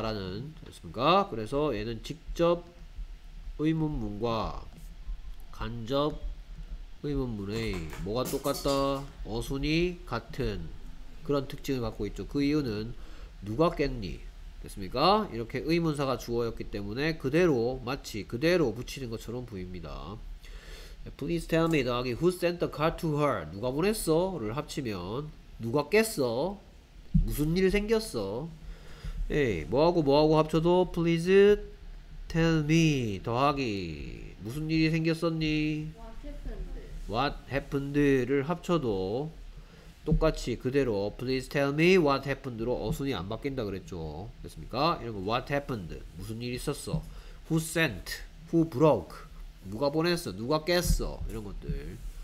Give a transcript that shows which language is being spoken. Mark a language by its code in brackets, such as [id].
[ko] 라는 됐습니까 그래서 얘는 직접 의문문과 간접 의문문의 뭐가 똑같다? 어순이 같은 그런 특징을 갖고 있죠. 그 이유는 누가 깼니? 됐습니까? 이렇게 의문사가 주어였기 때문에 그대로 마치 그대로 붙이는 것처럼 보입니다. [en] Please tell me 더하기 Who sent the card to her? [ko] 누가 보냈어?를 합치면 누가 깼어? 무슨 일 생겼어? 뭐하고 뭐하고 합쳐도 [en] please tell me [ko] 더하기 무슨 일이 생겼었니? [en] What happened? [ko] What happened를 합쳐도 똑같이 그대로 [en] please tell me what happened [ko] 로 어순이 안 바뀐다 그랬죠. 됐습니까? 이런 거 [en] what happened? [ko] 무슨 일이 있었어? [en] Who sent? Who broke? [ko] 누가 보냈어? 누가 깼어? 이런 것들.